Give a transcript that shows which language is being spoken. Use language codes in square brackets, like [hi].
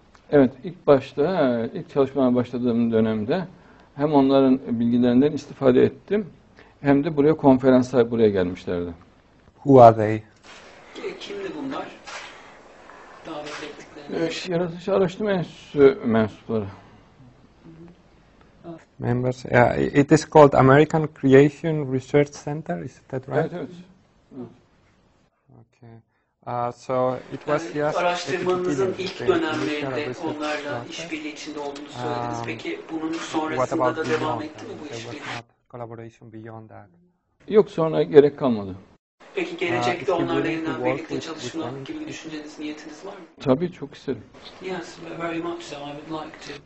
[tr] Evet, ilk başta, ilk çalışmaya başladığım dönemde hem onların bilgilerinden istifade ettim, hem de buraya konferanslar, buraya gelmişlerdi. [en] Who are they? [tr] Kimdi bunlar? Davet ettikleriniz. Yaratıcı Araştırma Enstitüsü mensupları. [en] Members, yeah, it is called American Creation Research Center, is that right? [tr] Evet, evet. [en] Okay. So it was yes. [tr] Araştırmanızın ilk dönemlerinde onlarla işbirliği içinde olduğunu söylediniz. Peki bunun sonrasında da devam [en] beyond, [tr] etti mi bu işbirliği? [en] Collaboration beyond that. [tr] Yok, sonra gerek kalmadı. Peki gelecekte onlarla yeniden birlikte çalışma gibi düşünceniz, niyetiniz var mı? Tabii, çok isterim. [en] Yes, very much so. I would like to.